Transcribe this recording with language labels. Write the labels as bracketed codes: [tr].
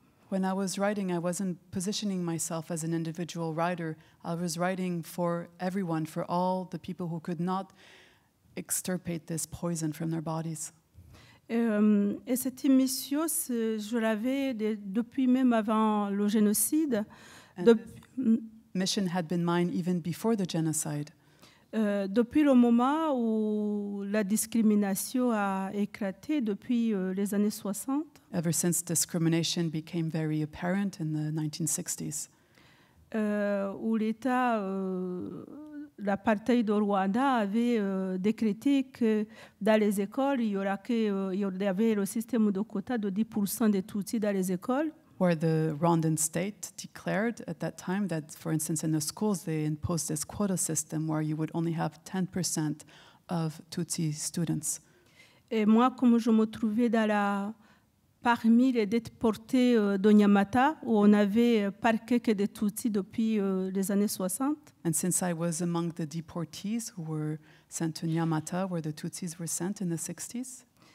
[en] When I was writing, I wasn't positioning myself as an individual writer. I was writing for everyone, for all the people who could not extirpate this poison from their bodies. [fr] Et cette émission, je l'avais depuis même avant le génocide. [en] Mission had been mine even before the genocide. [fr] Depuis le moment où la discrimination a éclaté, depuis les années 60. [en] Ever since discrimination became very apparent in the 1960s. [fr] Où l'État, l'apartheid de Rwanda avait décrété que dans les écoles, il y avait le système de quota de 10% des Tutsis dans les écoles. [en] Where the Rwandan state declared at that time that, for instance, in the schools, they imposed this quota system where you would only have 10% of Tutsi students. [fr] Et moi, comme je me trouvais dans la parmi les déportés de Nyamata, où on avait parqué que des Tutsis depuis les années 60. [en] And since I was among the deportees who were sent to Nyamata, where the Tutsis were sent in the 60s.